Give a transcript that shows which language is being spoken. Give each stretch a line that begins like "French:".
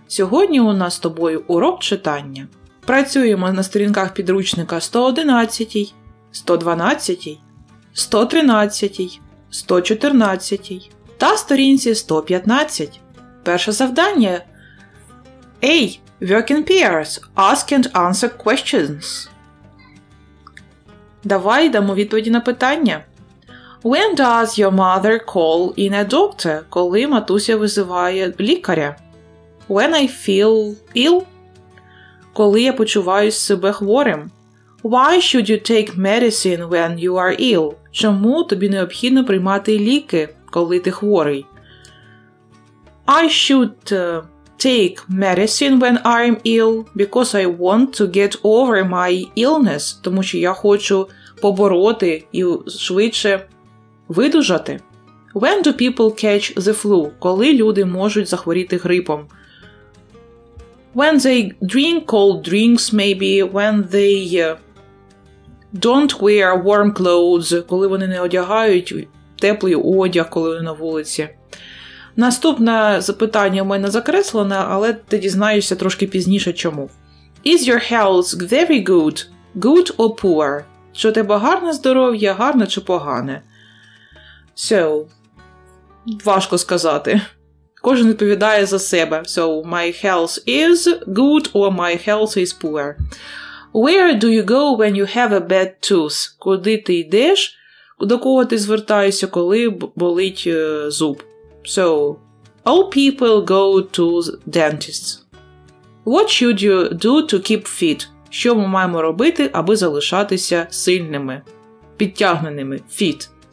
Ukrainian: Сьогодні у нас з тобою урок читання. Працюємо на сторінках підручника 111, 112, 113, 114. Та сторінці 115. Перше завдання. A.
English: Work in pairs. Ask and answer questions.
Ukrainian: Давай дамо відповіді на питання.
English: When does your mother call in a doctor?
Ukrainian: Коли матуся визиває лікаря?
English: When I feel ill?
Ukrainian: Коли я почуваюся себе хворим?
English: Why should you take medicine when you are ill?
Ukrainian: Чому тобі необхідно приймати ліки, коли ти хворий?
English: I should take medicine when I'm ill because I want to get over my illness.
Ukrainian: Тому що я хочу побороти і швидше видужати.
English: When do people catch the flu?
Ukrainian: Коли люди можуть захворіти грипом?
English: When they drink cold drinks, maybe. When they don't wear warm clothes.
Ukrainian: Коли вони не одягають теплий одяг, коли на вулиці. Наступне запитання у мене закреслене, але ти дізнаєшся трошки пізніше, чому.
English: Is your health very good? Good or poor?
Ukrainian: Чи у тебе гарне здоров'я, гарне чи погане? So, важко сказати. Кожен відповідає за себе.
English: So, my health is good or my health is poor. Where do you go when you have a bad tooth?
Ukrainian: Куди ти йдеш? До кого ти звертаєшся, коли болить зуб?
English: So, all people go to dentists. What should you do to keep fit?
Ukrainian: Що ми маємо робити, аби залишатися сильними, підтягненими, fit?